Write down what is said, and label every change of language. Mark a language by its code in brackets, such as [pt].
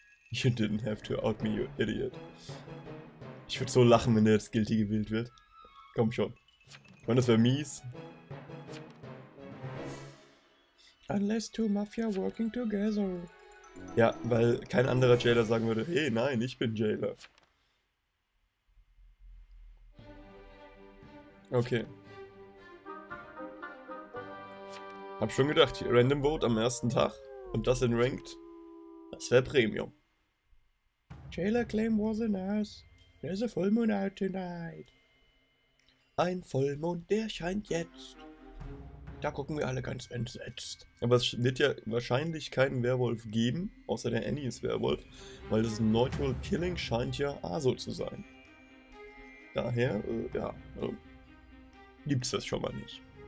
[en] You didn't have to out me, you idiot. [de] Ich würde so lachen, wenn der jetzt guilty gewählt wird. Komm schon. Ich meine, das wäre mies. [en] Unless two Mafia working together. [de] Ja, weil kein anderer Jailer sagen würde, hey, nein, ich bin Jailer. Okay. Hab schon gedacht, Random Vote am ersten Tag und das in Ranked, das wäre Premium. [en] Jailer claim was a nurse. There's a full moon out tonight. [de] Ein Vollmond, der scheint jetzt. Da gucken wir alle ganz entsetzt. Aber es wird ja wahrscheinlich keinen Werwolf geben, außer der Annie ist Werwolf, weil das Neutral Killing scheint ja Aso zu sein. Daher, ja, gibt's das schon mal nicht.